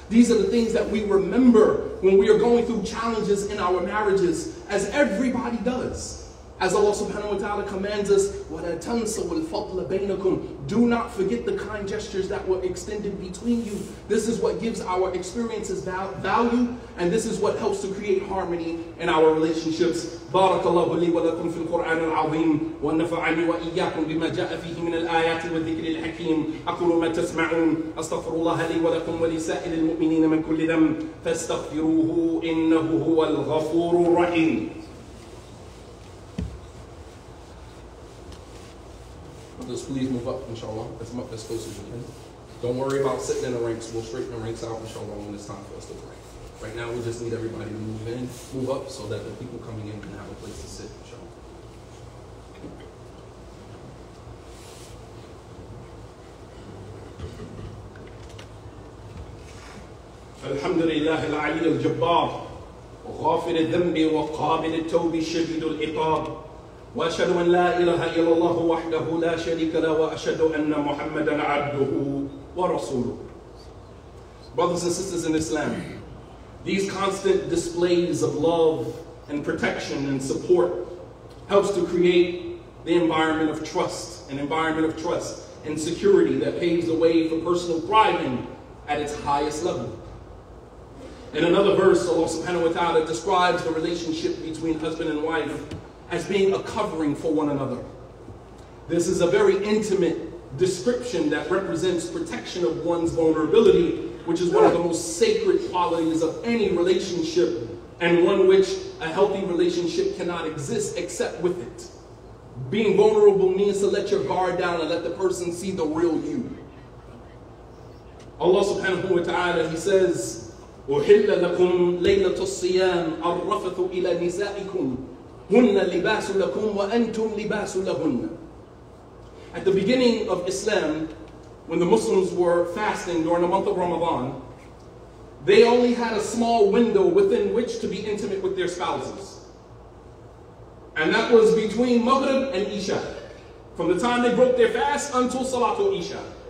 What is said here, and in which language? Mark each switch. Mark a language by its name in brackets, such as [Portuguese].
[English] These are the things that we remember when we are going through challenges in our marriages, as everybody does. As Allah subhanahu wa ta'ala commands us, [Arabic] وَلَا تَنْسَوُ الْفَضْلَ بَيْنَكُمْ. [English] Do not forget the kind gestures that were extended between you. This is what gives our experiences value, and this is what helps to create harmony in our relationships. [Arabic] بارك الله لي ولكم في القرآن العظيم ونفعني وإياكم بما جاء فيه من الآيات والذكر الحكيم أقول ما تسمعون أستغفر الله لي ولكم ولسائر المؤمنين من كل ذنب فاستغفروه إنه هو الغفور الرحيم. [English] Just please move up, inshallah, as close as you can. Don't worry about sitting in the ranks. We'll straighten the ranks out, inshallah, when it's time for us to pray. Right now, we just need everybody to move in, move up, so that the people coming in can have a place to sit, inshallah. [Arabic] Alhamdulillah, al-Ali al-Jabbar, ghafir al-dhambi wa qabil al-tawbi shadid al-iqab. وأشهد أن لا إله إلا الله وحده لا شريك له وأشهد أن محمدا عبده ورسوله. [English] Brothers and sisters in Islam, these constant displays of love and protection and support helps to create the environment of trust, an environment of trust and security that paves the way for personal thriving at its highest level. In another verse, Allah subhanahu wa ta'ala describes the relationship between husband and wife as being a covering for one another. This is a very intimate description that represents protection of one's vulnerability, which is one of the most sacred qualities of any relationship, and one which a healthy relationship cannot exist except with it. Being vulnerable means to let your guard down and let the person see the real you. [Arabic] Allah subhanahu wa ta'ala, [English] He says, [Arabic] أُحِلَّ لَكُمْ لَيْلَةُ الصِّيَامِ الرَّفَثُ إِلَى نِسَائِكُمْ هُنَّ لِبَاسُ لَكُمْ وَأَنْتُمْ لِبَاسُ لَهُنَّ. [English] At the beginning of Islam, when the Muslims were fasting during the month of Ramadan, they only had a small window within which to be intimate with their spouses. And that was between Maghrib and Isha. From the time they broke their fast until Salatul Isha.